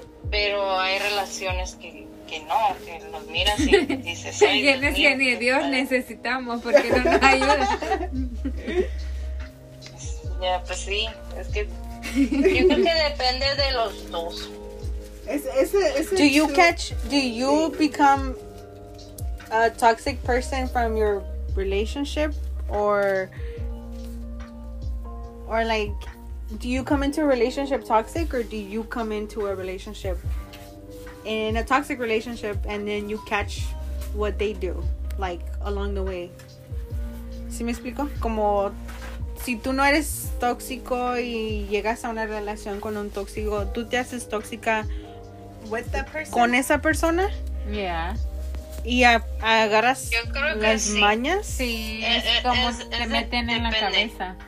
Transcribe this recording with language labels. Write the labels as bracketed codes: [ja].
[es] Pero hay relaciones que no, que los miras y dices, ay, ya no es que ni Dios necesitamos, porque no nos ayuda. Ya, pues sí, es que yo creo que depende de los dos. [en] Do you become a toxic person from your relationship, or like, do you come into a relationship toxic, or do you come into a relationship in a toxic relationship and then you catch what they do, like, along the way? [es] ¿Sí me explico? Como, si tú no eres tóxico y llegas a una relación con un tóxico, ¿tú te haces tóxica [en] with that person? [es] ¿Con esa persona? Yeah. ¿Y agarras las mañas? Sí, es como te meten en la cabeza.